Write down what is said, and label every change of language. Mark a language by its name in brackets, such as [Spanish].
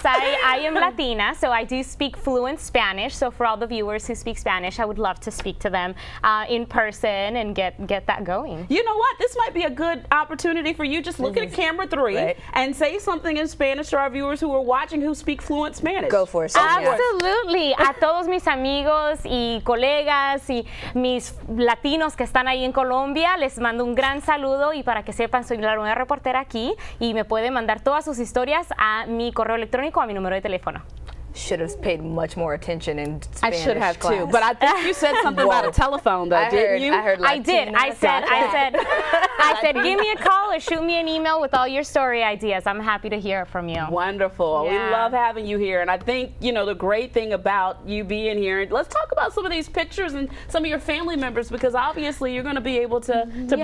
[English] I am Latina, so I do speak fluent Spanish, so for all the viewers who speak Spanish, I would love to speak to them in person and get that going. You know what? This might be a good opportunity for you. Just look at camera three and say something in Spanish to our viewers who are watching who speak fluent Spanish. Go for it, Sonia. Absolutely. [Spanish] A todos mis amigos y colegas y mis latinos que están ahí en Colombia, les mando un gran saludo y para que sepan, soy la nueva reportera aquí y me pueden mandar todas sus historias a mi correo electrónico, a mi número de teléfono. [English] Should have paid much more attention in Spanish I should have class. Too, but I think you said something about a telephone, though, didn't you? I heard Latina. I did. I said, give me a call or shoot me an email with all your story ideas. I'm happy to hear it from you. Wonderful. Yeah. We love having you here, and I think, you know, the great thing about you being here, let's talk about some of these pictures and some of your family members, because obviously you're going to be able to yeah.